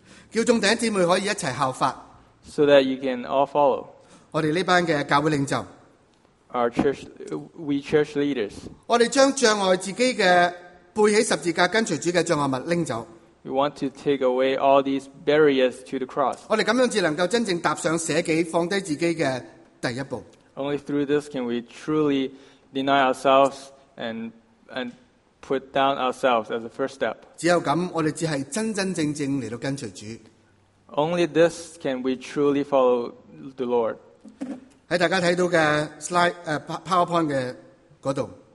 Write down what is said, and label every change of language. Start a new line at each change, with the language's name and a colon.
Cantonese: 叫众弟兄姊妹可以一齐效法。
English: So that you can all follow.
Cantonese: 我哋呢班嘅教会领袖。
English: Our church, we church leaders.
Cantonese: 我哋将障碍自己嘅背起十字架跟随主嘅障碍物拎走。
English: We want to take away all these barriers to the cross.
Cantonese: 我哋咁样至能够真正踏上舍己放低自己嘅第一步。
English: Only through this can we truly deny ourselves and put down ourselves as the first step.
Cantonese: 只有咁，我哋只系真真正正嚟到跟随主。
English: Only this can we truly follow the Lord.
Cantonese: 喺大家睇到嘅 slide PowerPoint 嘅嗰度。